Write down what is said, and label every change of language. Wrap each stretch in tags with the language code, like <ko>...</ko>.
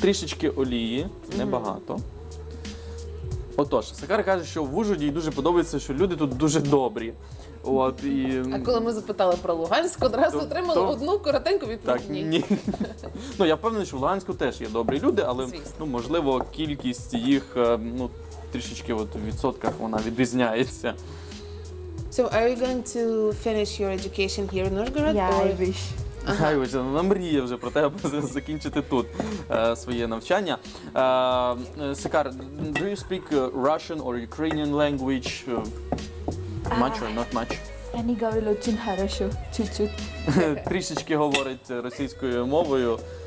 <uk>Трішечки олії, небагато. Отож, Сакар каже, що в Ужгороді дуже подобається, що люди тут дуже добрі. От, і... А коли ми запитали про Луганськ, одразу отримали одну коротеньку відповідь. Так, ні. Ну, я впевнений, що в Луганську теж є добрі люди, але, ну, можливо, кількість їх, ну, трішечки от в відсотках вона відрізняється.</uk> <en>So, are you going to finish your education here in Ужгород? Yeah, I wish.</en> <uk>Хай вже, вона мріє вже про те, аби закінчити тут своє навчання.</uk> <en>Сикар, do you speak Russian or Ukrainian language? Much or not much?</en> <ru>Ані говорило чин хорошо, чуть-чуть.</ru> <uk>Трішечки говорить російською мовою.</uk>